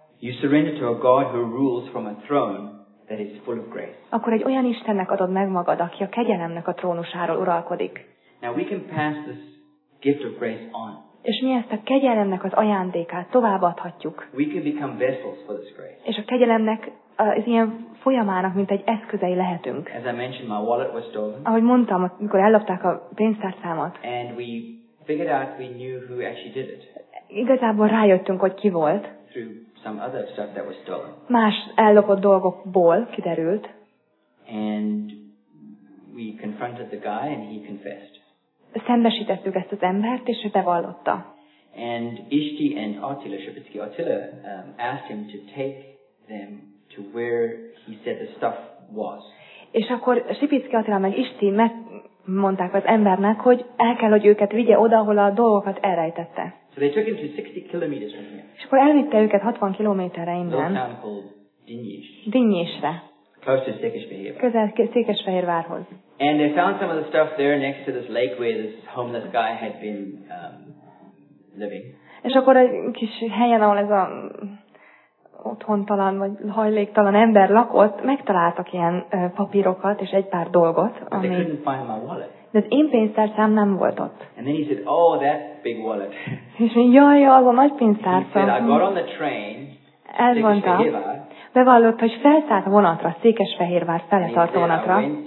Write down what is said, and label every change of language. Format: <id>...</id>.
<en>you surrender to a God who rules from a throne that is full of grace.</en> <hu>Akkor egy olyan Istennek adod meg magad, aki a kegyelemnek a trónusáról uralkodik.</hu> <en>Now we can pass this gift of grace on.</en> <hu>És mi ezt a kegyelemnek az ajándékát továbbadhatjuk.</hu> <en>We can become vessels for this grace.</en> <hu>És a kegyelemnek az ilyen folyamának, mint egy eszközei lehetünk.</hu> <en>As I mentioned, my wallet was stolen.</en> <hu>Ahogy mondtam, amikor ellopták a pénztárcámat.</hu> <en>And we figured out we knew who actually did it.</en> <hu>Igazából rájöttünk, hogy ki volt.</hu> <en>Through some other stuff that was stolen.</en> <hu>Más ellopott dolgokból kiderült.</hu> <en>And we confronted the guy and he confessed.</en> <hu>Szembesítettük ezt az embert, és ő bevallotta.</hu> <en>And Isti and Attila, Srpski Attila, asked him to take them to where he said the stuff was.</en> <hu>És akkor Srpski Attila meg Isti megmondták az embernek, hogy el kell, hogy őket vigye oda, ahol a dolgokat elrejtette.</hu> <en>So they took him to 60 kilometers from here.</en> <hu>És akkor elvitte őket 60 kilométerre innen.</hu> <en>Dinnyésre. Close to Székesfehérvár.</en> <hu>Közel Székesfehérvárhoz.</hu> <en>And they found some of the stuff there next to this lake where this homeless guy had been living.</en> <hu>És akkor egy kis helyen, ahol ez a otthontalan vagy hajléktalan ember lakott, megtaláltak ilyen papírokat és egy pár dolgot, ami.</hu> <en>But they couldn't find my wallet.</en> <hu>De az én pénztárcám nem volt ott.</hu> <en>And then he said, "Oh, that big wallet."</en> <hu>És mondja, jaj, az a nagy pénztárca.</hu> <en>He said, "I got on the train."</en> <hu>Ez mondta. Bevallott, hogy felszállt a vonatra, Székesfehérvár felé tartó vonatra.</hu>